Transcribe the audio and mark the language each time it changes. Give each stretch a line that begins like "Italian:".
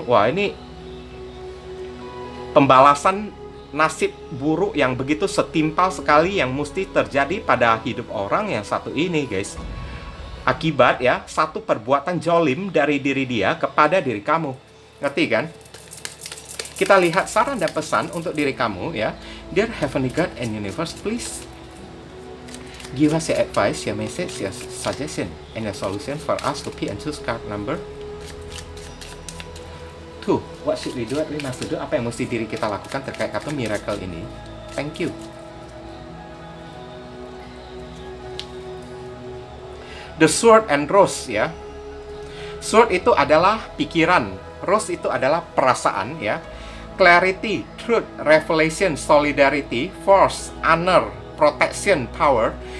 Indonesian: Wah, ini pembalasan nasib buruk yang begitu setimpal sekali yang mesti terjadi pada hidup orang yang satu ini guys, akibat ya satu perbuatan jolim dari diri dia kepada diri kamu. Ngerti kan? Kita lihat saran dan pesan untuk diri kamu ya.
English: Dear Heavenly God and Universe, please give us your advice, your message, your suggestion, and your solution for us to pick and choose card number 2. What should we do? What we must do?
Indonesian: Apa yang mesti diri kita lakukan terkait kartu miracle ini?
English: Thank you.
Indonesian: The Sword and Rose, ya. Sword itu adalah pikiran. Rose itu adalah perasaan, ya.
English: Clarity, truth, revelation, solidarity, force, honor, protection, power.